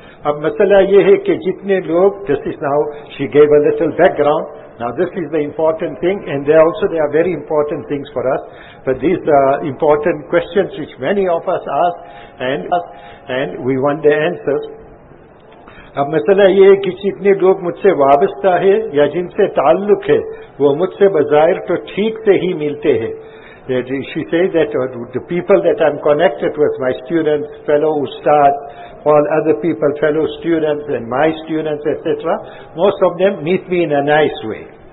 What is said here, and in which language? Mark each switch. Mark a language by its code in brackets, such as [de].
[ur] Ab masala ye hai ke jitne log, [en] this is now, she gave a little background. Now this is the important thing, and they are very important things for us. But these are important questions which many of us ask, and we want the answers. [ur] اب مسئلہ یہ ہے کہ جتنے لوگ مجھ سے وابستہ ہے یا جن سے تعلق ہے وہ مجھ سے بظاہر تو ٹھیک سے ہی ملتے ہیں. [en] She says that the people that I'm connected with, my students, fellow ustad, all other people, fellow students and my students, etc., most of them meet me in a nice way.